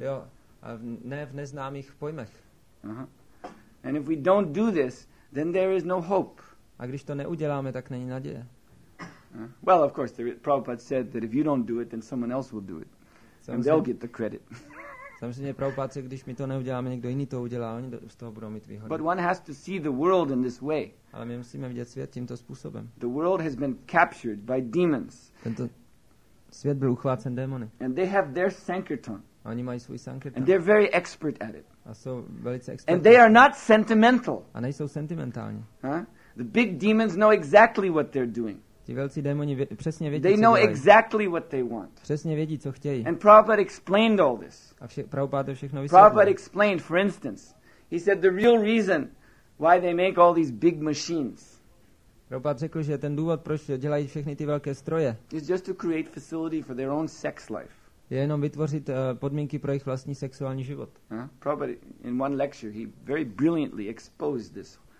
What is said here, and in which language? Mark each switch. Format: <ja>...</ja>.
<cs>Jo, ne v neznámých pojmech. Uh-huh.</cs> <en>And if we don't do this, then there is no hope.</en> <cs>A když to neuděláme, tak není naděje.</cs> <en>Well, of course, Prabhupada said that if you don't do it, then someone else will do it.</en> <cs>Samozřejmě,</cs> <en>and they'll get the credit.</en> <cs>Samozřejmě Prabhupada, když my to neuděláme, někdo jiný to udělá, oni z toho budou mít výhody.</cs> <en>But one has to see the world in this way.</en> <cs>Ale my musíme vidět svět tímto způsobem.</cs> <en>The world has been captured by demons.</en> <cs>Tento svět byl uchvácen démony.</cs> <en>And they have their sankirtan.</en> <cs>A oni mají svůj sankirtan.</cs> <en>And they're very expert at it.</en> <cs>A jsou velice expert.</cs> <en>And they are not sentimental.</en> <cs>A nejsou sentimentální.</cs> <en>The big demons know exactly what they're doing.</en> <cs>Ti velcí démoni přesně vědí.</cs> <en>They know exactly what they want.</en> <cs>Přesně vědí, co chtějí.</cs> <en>And Prabhupada explained all this.</en> <cs>A Prabhupada všechno vysvětlil.</cs> <en>Prabhupada explained, for instance, he said the real reason why they make all these big machines.</en> <cs>Prabhupada řekl, že ten důvod, proč dělají všechny ty velké stroje,</cs> <en>is just to create facility for their own sex life.</en> <cs>Je jenom vytvořit podmínky pro jejich vlastní sexuální život.</cs> <en>Prabhupada in one lecture he very brilliantly exposed this.</en>